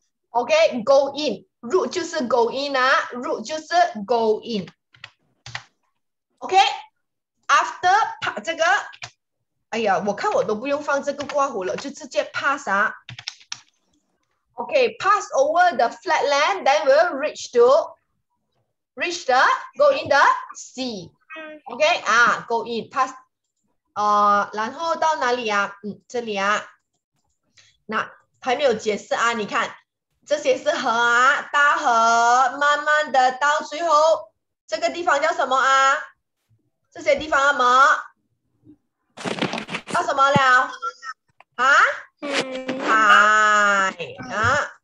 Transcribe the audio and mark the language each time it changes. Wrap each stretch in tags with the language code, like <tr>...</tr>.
<en>OK， go in，</en> <zh>入就是</zh> <en>go in 啊，入就是 go in。</en> <zh>OK， after 这个，哎呀，我看我都不用放这个括弧了，就直接 pass 啊。</zh> <en>OK， pass over the flat land， then we'll reach the go in the sea。 OK， 啊， go in， pass，</en> <zh>然后到哪里啊？这里啊，那还没有解释啊，你看。这些是河啊，大河慢慢的到最后，这个地方叫什么啊？这些地方什么？叫什么了？啊？海啊？</zh>